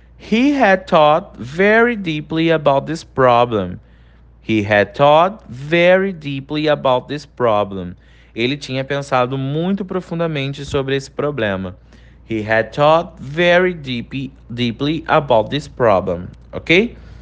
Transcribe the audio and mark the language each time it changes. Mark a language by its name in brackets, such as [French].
[English] He had thought very deeply about this problem. He had thought very deeply about this problem. [Portuguese] Ele tinha pensado muito profundamente sobre esse problema. [English] He had thought very deeply about this problem, ok?